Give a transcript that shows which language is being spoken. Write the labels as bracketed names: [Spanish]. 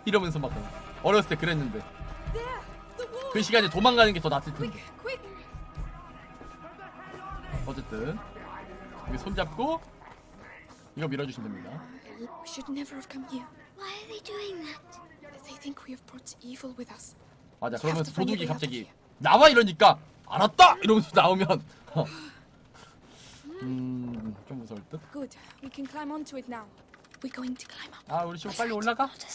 [Korean] 이러면서 막 어렸을 때 그랬는데 그 시간에 도망가는 게 더 낫을 텐데. 어쨌든 여기 손잡고 이거 밀어주시면 됩니다. [English] We should never have come here. Why are they doing that? They think we have brought evil with us. [Korean] 맞아. 그러면 도둑이 갑자기 나와 이러니까 알았다 이러면서 나오면 좀 무서울 듯. [English] Good. We can climb onto it now. We're going to climb up. [Korean] 아 우리 지금 빨리 올라가.